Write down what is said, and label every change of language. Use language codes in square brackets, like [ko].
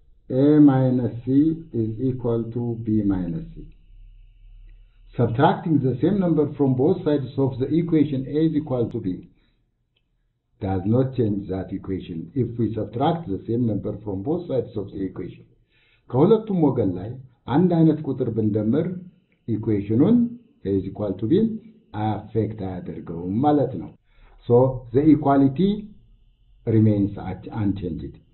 [en] a minus c is equal to b minus c Subtracting the same number from both sides of the equation a is equal to b does not change that equation if we subtract the same number from both sides of the equation. [am] ከሁለቱም ወገን ላይ አንድ አይነት ቁጥር ብንደምር equationን [en] a is equal to b [am] affect አያደርገውም ማለት ነው. [en] So the equality remains unchanged.